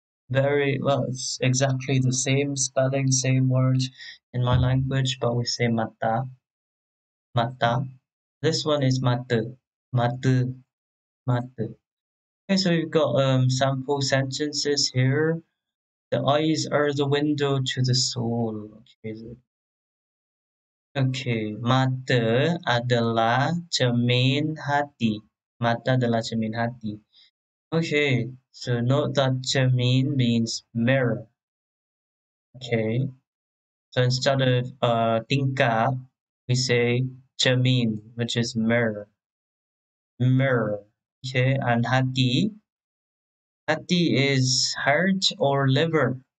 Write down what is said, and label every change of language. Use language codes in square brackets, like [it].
[en] Very well, it's exactly the same spelling, same word in my language, but we say mata. [ms] Mata. [en] This one is [ms] mata. Mata. Mata. [en] Okay, so we've got sample sentences here. The eyes are the window to the soul. [ms] Okay, mata adalah cermin hati. Mata adalah cermin hati. [en] Okay, so note that cermin means mirror. Okay, so instead of tingkap, we say cermin, which is mirror. Mirror. Okay, and hati. Hati is heart or liver.